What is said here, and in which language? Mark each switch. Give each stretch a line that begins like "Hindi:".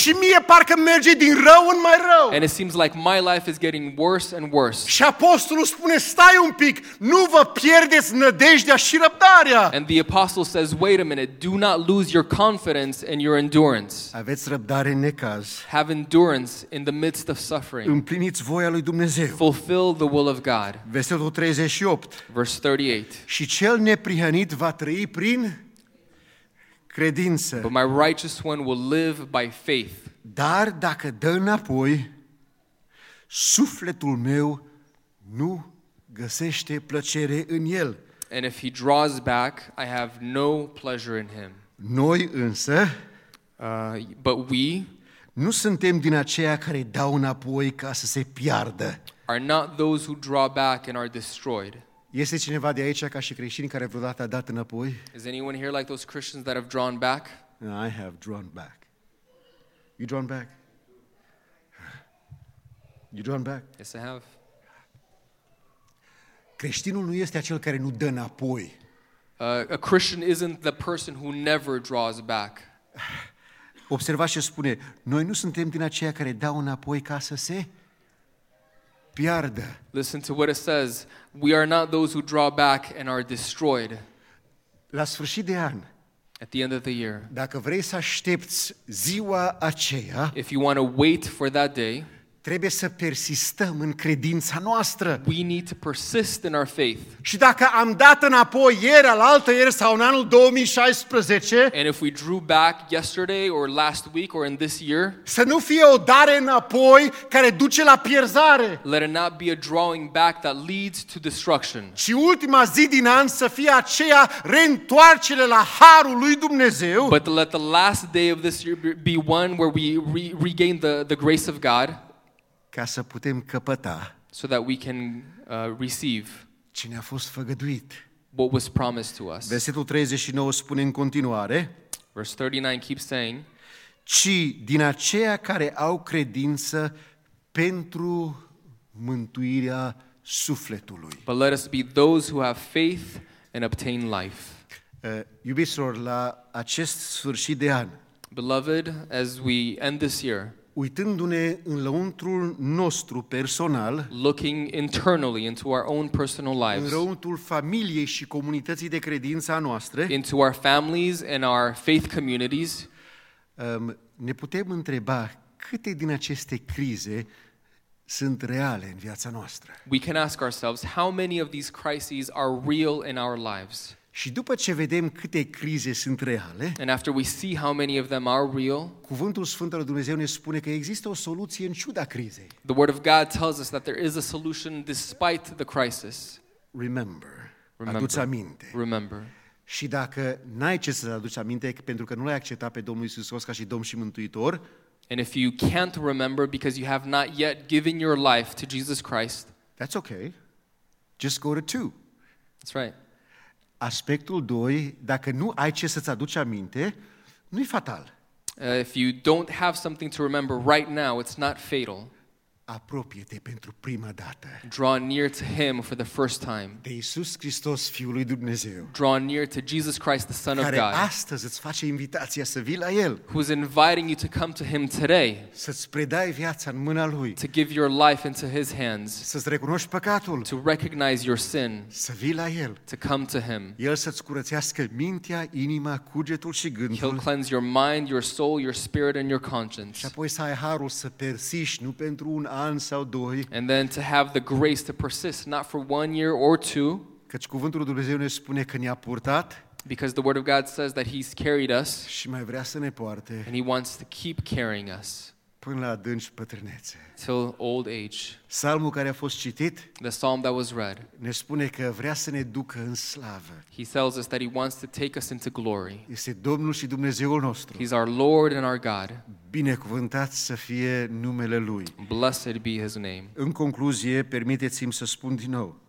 Romanian: Și mie parcă merge din rău în mai rău.
English: And it seems like my life is getting worse and worse.
Romanian: Și apostolul spune, stai un pic, nu vă pierdeți nădejdea și răbdarea.
English: And the apostle says, wait a minute, do not lose your confidence and your endurance.
Romanian: Aveți răbdare în necaz.
English: Have endurance in the midst of suffering.
Romanian: Împliniți voia lui Dumnezeu.
English: Fulfill the will of God.
Romanian: Versetul 38.
English: Verse 38.
Romanian: Și cel neprihănit va trăi prin credință.
English: But my righteous one will live by faith.
Romanian: Dar dacă dă înapoi, sufletul meu nu găsește plăcere în el.
English: And if he draws back, I have no pleasure in him.
Romanian: Noi însă,
English: but we,
Romanian: nu suntem din aceia care dau înapoi ca să se piardă.
English: Are not those who draw back and are destroyed.
Romanian: Este cineva de aici ca și creștini care vreodată a dat înapoi?
English: Is anyone here like those Christians that have drawn back? No, I have drawn back. You drawn back? You drawn back? Yes, I have.
Romanian: Creștinul nu este acel care nu dă înapoi.
English: A Christian isn't the person who never draws back.
Romanian: Observați ce spune. Noi nu suntem din aceia care dau înapoi ca să se piardă.
English: Listen to what it says. We are not those who draw back and are destroyed.
Romanian: La sfârșit de an.
English: At the end of the year.
Romanian: Dacă vrei să aștepți ziua aceea.
English: If you want to wait for that day.
Romanian: Trebuie să persistăm în credința noastră.
English: We need to persist in our faith.
Romanian: Și dacă am dat înapoi ieri, alaltă ieri sau în anul 2016.
English: And if we drew back yesterday or last week or in this year.
Romanian: Să nu fie o dare înapoi care duce la pierzare.
English: Let it not be a drawing back that leads to destruction.
Romanian: Și ultima zi din an să fie aceea reîntoarcere la harul lui Dumnezeu.
English: But let the last day of this year be one where we regain the grace of God.
Romanian: Ca să putem căpăta
English: so that we can receive
Romanian: ce ne-a fost făgăduit.
English: What was promised to us.
Romanian: Versetul 39 spune în continuare.
English: Verse 39 keeps saying,
Romanian: ci din aceia care au credință pentru mântuirea sufletului.
English: But let us be those who have faith and obtain life.
Romanian: Iubiților, la acest sfârșit de an.
English: Beloved, as we end this year.
Romanian: Uitându-ne în lăuntrul nostru personal,
English: looking internally into our own personal lives,
Romanian: în lăuntrul familiei și comunității de credință a noastră,
English: into our families and our faith communities,
Romanian: ne putem întreba câte din aceste crize sunt reale în viața noastră.
English: We can ask ourselves how many of these crises are real in our lives.
Romanian: Și după ce vedem câte crize sunt reale,
English: and after we see how many of them are real,
Romanian: Cuvântul Sfânt al Dumnezeu ne spune că există o soluție în ciuda crizei.
English: The word of God tells us that there is a solution despite the crisis. Remember.
Romanian: Aduți aminte.
English: Remember.
Romanian: Și dacă n-ai ce să aduci aminte pentru că nu l-ai acceptat pe Domnul Iisus Hristos ca și Domn și Mântuitor,
English: and if you can't remember because you have not yet given your life to Jesus Christ, that's okay. Just go to 2. That's right.
Romanian: Aspectul 2, dacă nu ai ce să-ți aduci aminte, nu-i fatal.
English: If you don't have something to remember right now, it's not fatal.
Romanian: Apropie-te pentru prima dată.
English: Draw near to him for the first time.
Romanian: De Iisus Hristos, Fiul lui Dumnezeu.
English: Draw near to Jesus Christ, the Son of God.
Romanian: Care astăzi îți face invitația să vii la El.
English: Who is inviting you to come to him today.
Romanian: Să-ți predai viața în mâna Lui.
English: To give your life into his hands.
Romanian: Să-ți recunoști păcatul.
English: To recognize your sin.
Romanian: Să vii la El.
English: To come to him.
Romanian: El să-ți curățească mintea, inima, cugetul și gândul.
English: He'll cleanse your mind, your soul, your spirit and your conscience.
Romanian: Și apoi să ai harul să persiști, nu pentru un an sau doi.
English: And then to have the grace to persist, not for 1 year or two.
Romanian: Căci cuvântul lui Dumnezeu ne spune că ne-a purtat.
English: Because the word of God says that he's carried us.
Romanian: Și mai vrea să ne poarte.
English: And he wants to keep carrying us.
Romanian: Până la adânci bătrânețe.
English: Till old age.
Romanian: Psalmul care a fost citit.
English: The psalm that was read.
Romanian: Ne spune că vrea să ne ducă în slavă.
English: He tells us that he wants to take us into glory.
Romanian: Este Domnul și Dumnezeul nostru.
English: He's our Lord and our God.
Romanian: Binecuvântat să fie numele lui.
English: Blessed be his name.
Romanian: În concluzie, permiteți-mi să spun din nou.